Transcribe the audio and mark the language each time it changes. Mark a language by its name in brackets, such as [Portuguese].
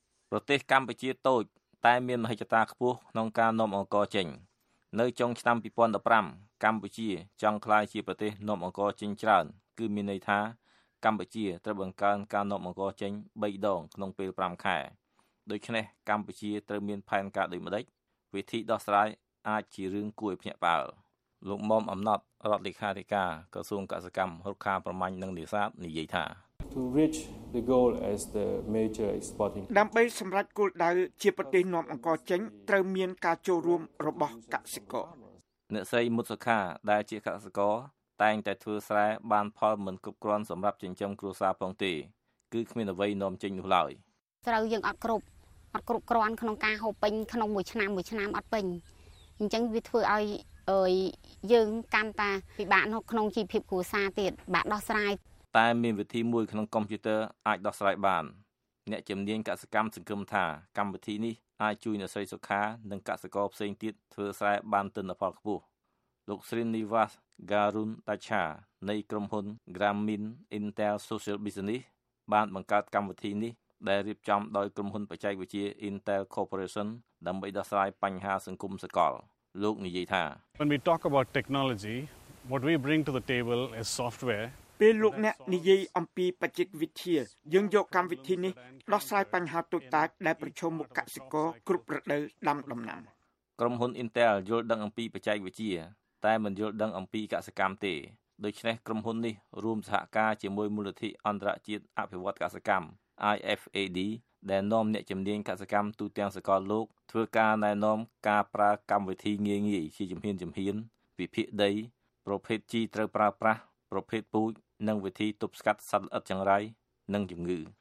[Khmer] ប្រទេសកម្ពុជាតូចតែមានមហិច្ឆតាខ្ពស់ក្នុងការនាំអង្ករចេញនៅចុងឆ្នាំ2015កម្ពុជាចង់ក្លាយជាប្រទេសនាំអង្ករចេញច្រើនគឺមានន័យថាកម្ពុជាត្រូវបង្កើនការនាំអង្ករចេញ3ដងក្នុងពេល5ខែដូច្នេះកម្ពុជាត្រូវមានផែនការដូចម្តេចវិធីដោះស្រាយអាចជារឿងគួរឲ្យភ្ញាក់ផ្អើលលោកមុំអំណត់រដ្ឋលេខាធិការក្រសួងកសិកម្មរុក្ខាប្រមាញ់និងនេសាទនិយាយថា [English] To reach the goal as the major exporting [Khmer] ដើម្បីសម្រេចគោលដៅជាប្រទេសនាំអង្ករចេញត្រូវមានការចូលរួមរបស់កសិករ អ្នកស្រីមុតសុខាដែលជាកសិករតែងតែធ្វើស្រែបានផលមិនគ្រប់គ្រាន់សម្រាប់ចិញ្ចឹមគ្រួសារផងទេគឺគ្មានអ្វីនាំចេញនោះឡើយ ត្រូវយើងអត់គ្រប់ អត់គ្រប់គ្រាន់ក្នុងការហូបពេញក្នុងមួយឆ្នាំមួយឆ្នាំអត់ពេញអញ្ចឹងវាធ្វើឲ្យយើងកាន់តែពិបាកក្នុងជីវភាពគ្រួសារទៀតបាក់ដោះស្រាយ តែមានវិធីមួយក្នុងកុំព្យូទ័រអាចដោះស្រាយបានអ្នកជំនាញកសិកម្មសង្គមថាកម្មវិធីនេះអាចជួយអ្នកស្រីសុខានិងកសិករផ្សេងទៀតធ្វើស្រែបានទិន្នផលខ្ពស់លោកស្រីនីវ៉ាសការុនតាឆានៃក្រុមហ៊ុន Grameen Intel Social Business បានបង្កើតកម្មវិធីនេះដែលរៀបចំដោយក្រុមហ៊ុនបច្ចេកវិទ្យា Intel Corporation ដើម្បីដោះស្រាយបញ្ហាសង្គមសកលលោកនិយាយថា [English] When we talk about technology what we bring to the table is software [Khmer] ពេលលោកអ្នកនិយាយអំពីបច្ចេកវិទ្យាយើងយកកម្មវិធីនេះដោះស្រាយបញ្ហាទូទៅដែលប្រឈមមុខកសិករគ្រប់រដូវដាំដំណាំ ក្រុមហ៊ុន Intel យល់ដឹងអំពីបច្ចេកវិទ្យាតែមិនយល់ដឹងអំពីកសិកម្មទេដូច្នេះក្រុមហ៊ុននេះរួមសហការជាមួយមូលនិធិអន្តរជាតិអភិវឌ្ឍកសិកម្ម IFAD ដែលនាំអ្នកជំនាញកសិកម្មទូទាំងសកលលោកធ្វើការណែនាំការប្រើកម្មវិធីងាយងាយជាជំហានជំហានវិភាគដីប្រភេទជីត្រូវប្រើប្រាស់ប្រភេទពូជនិងវិធីទប់ស្កាត់សត្វល្អិតចង្រៃនិងជំងឺ